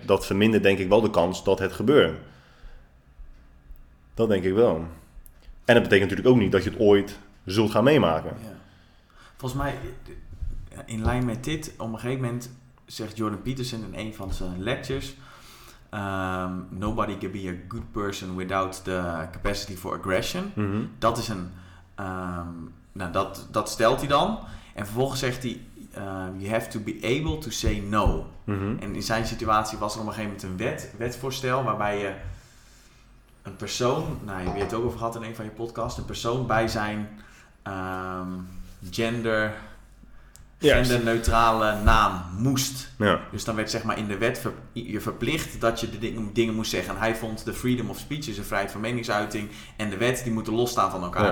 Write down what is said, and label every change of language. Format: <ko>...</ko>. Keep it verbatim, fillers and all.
<nl>Dat vermindert denk ik wel de kans dat het gebeurt. Dat denk ik wel. En dat betekent natuurlijk ook niet dat je het ooit zult gaan meemaken. Ja. Volgens mij, in lijn met dit, op een gegeven moment zegt Jordan Peterson in een van zijn lectures...</nl> <en>Um, Nobody can be a good person without the capacity for aggression. Mm-hmm.</en> <nl>Dat is een... Um, nou, dat, dat stelt hij dan. En vervolgens zegt hij...</nl> <en>Uh, you have to be able to say no. Mm-hmm.</en> <nl>En in zijn situatie was er op een gegeven moment een wet, wetvoorstel waarbij je een persoon, nou je hebt het ook over gehad in een van je podcasts, een persoon bij zijn um,</nl> <en>gender, yes.</en> <nl>genderneutrale naam moest. Ja. Dus dan werd zeg maar in de wet ver, je verplicht dat je de ding, dingen moest zeggen. En hij vond de</nl> <en>freedom of speech,</en> <nl>dus de vrijheid van meningsuiting, en de wet, die moeten losstaan van elkaar. Ja.</nl>